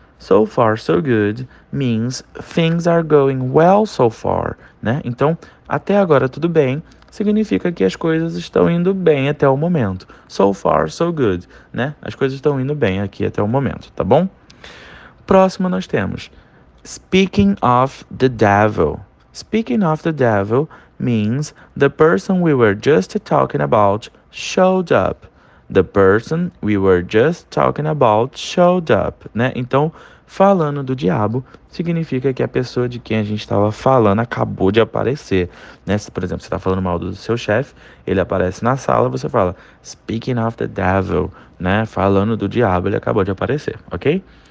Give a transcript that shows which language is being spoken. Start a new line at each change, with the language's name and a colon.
English: So far, so good means things are going well so far, né?
Portuguese: Então, até agora tudo bem. Significa que as coisas estão indo bem até o momento.
English: So far, so good,
Portuguese: né? As coisas estão indo bem aqui até o momento, tá bom? Próximo nós temos
English: speaking of the devil. Speaking of the devil means the person we were just talking about showed up. The person we were just talking about showed up, né?
Portuguese: Então, falando do diabo, significa que a pessoa de quem a gente estava falando acabou de aparecer, né? Se, por exemplo, você está falando mal do seu chefe, ele aparece na sala, você fala,
English: speaking of the devil,
Portuguese: né? Falando do diabo, ele acabou de aparecer, ok?